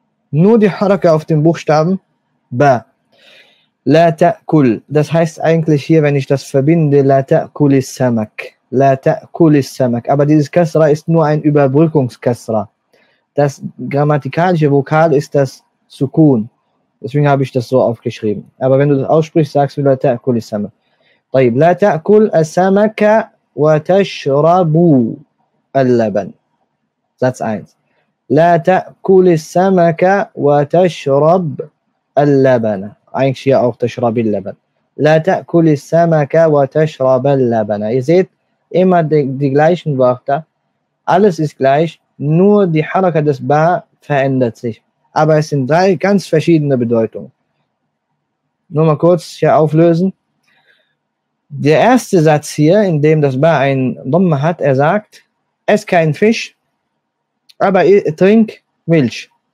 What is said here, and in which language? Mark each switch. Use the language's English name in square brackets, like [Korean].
[German] Nur die Haraka auf dem Buchstaben Ba. [Arabic] La ta'kul. [German] Das heißt eigentlich hier, wenn ich das verbinde, [Arabic] La ta'kul is-samak. La ta'kul is-samak. [German] Aber dieses Kasra ist nur ein Überbrückungskasra. Das grammatikalische Vokal ist das Sukun. Deswegen habe ich das so aufgeschrieben. Aber wenn du das aussprichst, sagst du [Arabic] La ta'kul is-samak. طيب لا تأكل السمك وتشرب اللبن. [German] Satz 1. [Arabic] لا تأكل السمك وتشرب اللبن. [German] Eigentlich hier auch [Arabic] تشرب اللبن. لا تأكل السمك وتشرب اللبن. [German] Ihr seht immer die gleichen Wörter. Alles ist gleich, nur die Haraka des Ba verändert sich. Aber es sind drei ganz verschiedene Bedeutungen. Nur mal kurz hier auflösen. Der erste Satz hier, in dem das Ba ein Dhamma hat, er sagt, ess keinen Fisch, aber trink Milch.